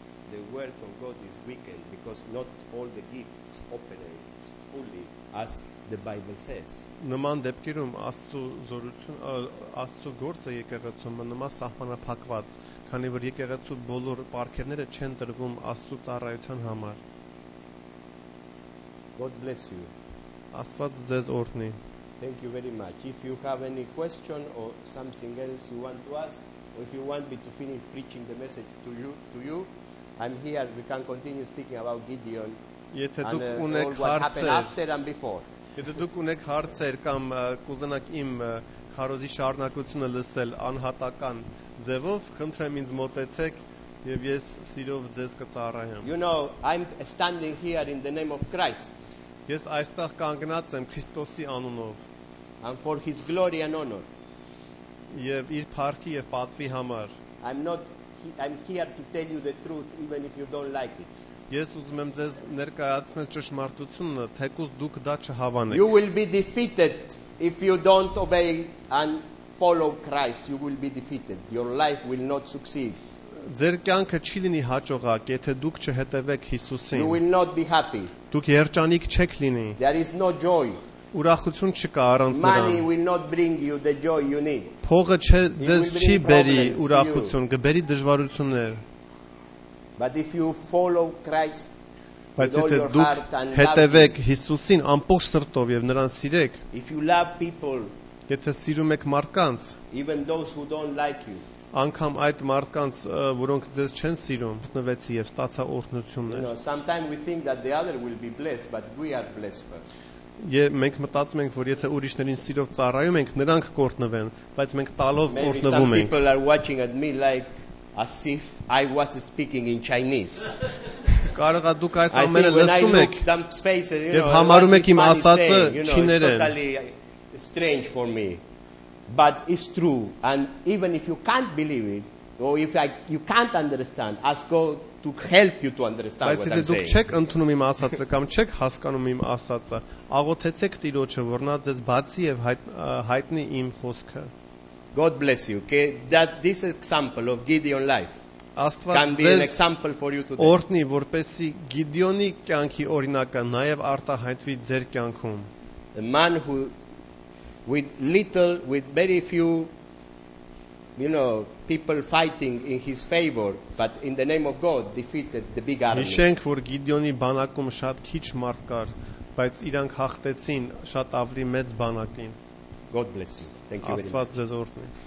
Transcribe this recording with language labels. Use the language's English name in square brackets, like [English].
[English] The work of God is weakened because not all the gifts operate fully as the Bible says. [Armenian] Նման դեպքում Աստծո զորություն, Աստծո գործը եկեղեցում մնում է սահմանափակված, քանի որ եկեղեցու բոլոր պարգևները չեն տրվում Աստծո ծառայության համար. [English] God bless you. [Armenian] Աստված ձեզ օրհնի. [English] Thank you very much. If you have any question or something else you want to ask, or if you want me to finish preaching the message to you, I'm here, we can continue speaking about Gideon and [Armenian] Եթե դուք ունեք հարցեր կամ կուզենաք իմ քարոզի շարունակությունը լսել անհատական ձևով, խնդրեմ ինձ մոտեցեք եւ ես սիրով ձեզ կծառայեմ։ [English] You know, I'm standing here in the name of Christ. [Armenian] Ես այստեղ կանգնած եմ Քրիստոսի անունով. [English] And for his glory and honor. [Armenian] Եվ իր փառքի եւ պատվի համար։ [English] I'm here to tell you the truth even if you don't like it. [Armenian] Ես ուզում եմ ձեզ ներկայացնել ճշմարտությունը, թեկուզ դուք դա չհավանեք։ [English] You will be defeated if you don't obey and follow Christ. You will be defeated. Your life will not succeed. [Armenian] Ձեր կյանքը չի լինի հաջողակ, եթե դուք չհետևեք Հիսուսին։ [English] You will not be happy. [Armenian] Դուք երջանիկ չեք լինի։ [English] There is no joy. [Armenian] Ուրախություն չկա առանց նրան։ [English] Money will not bring you the joy you need. [Armenian] Փողը ձեզ չի բերի ուրախություն, կբերի դժվարություններ։ [English] But if you follow Christ, [Armenian] բայց եթե դուք հետևեք Հիսուսին ամբողջ սրտով եւ նրան սիրեք, [English] if you love people, [Armenian] եթե սիրում եք մարդկանց, [English] even those who don't like you, [Armenian] անգամ այդ մարդկանց, որոնք ձեզ չեն սիրում, գտնվեցի եւ ստացա օրհնություններ։ [English] You know, sometimes we think that the other will be blessed, but we are blessed first. [Armenian] Եթե մենք մտածում ենք, որ եթե ուրիշներին սիրով ծառայում ենք, նրանք կօրհնվեն, բայց մենք տալով օրհնվում ենք։ [English] People are watching at me like as if I was speaking in Chinese. [Armenian] Կարողա դուք այս ամենը լսում եք։ Եվ համարում եք իմ ասածը չիներեն։ [English] Strange for me. But it's true, and even if you can't believe it, or if you can't understand, ask God to help you to understand what I'm saying. [Armenian] Բայց եթե դուք չեք ընդունում իմ ասածը կամ չեք հասկանում իմ ասածը, աղոթեցեք Տիրոջը, որ նա ձեզ բացի եւ հայտնի իմ խոսքը։ [English] God bless you. Okay, that this example of Gideon's life can be an example for you today. [Armenian] Օրհնի, որպեսզի Գիդիոնի կյանքի օրինակը նաեւ արտահայտվի ձեր կյանքում։ [English] A man who with very few, you know, people fighting in his favor, but in the name of God defeated the big army. [Armenian] Միշենք, որ Գիդիոնի բանակում շատ քիչ մարդ կար, բայց իրանք հաղթեցին շատ ավելի մեծ բանակին։ [English] God bless you. Thank you very much. [Armenian] Աստված ձեզ օրհնի։